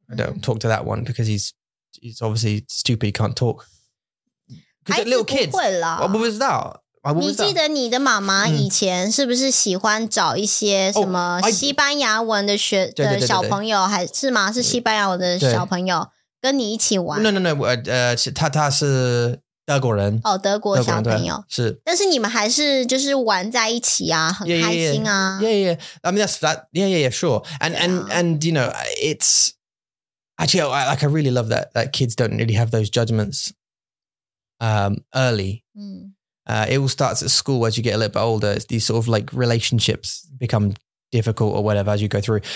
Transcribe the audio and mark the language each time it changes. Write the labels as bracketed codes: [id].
[en] I don't talk to that one because he's obviously stupid, he can't talk. Because little kids. [zh] 孩子不会啦。我不知道。你记得你的妈妈以前是不是喜欢找一些什么西班牙文的学的小朋友，还是吗？是西班牙文的小朋友跟你一起玩。 No, 他是德国人哦，德国小朋友是，但是你们还是就是玩在一起啊，很开心啊。 [en] Yeah. I mean, that's sure, and you know, it's actually I really love that kids don't really have those judgments, early. It all starts at school as you get a little bit older. It's these sort of like relationships become difficult or whatever as you go through.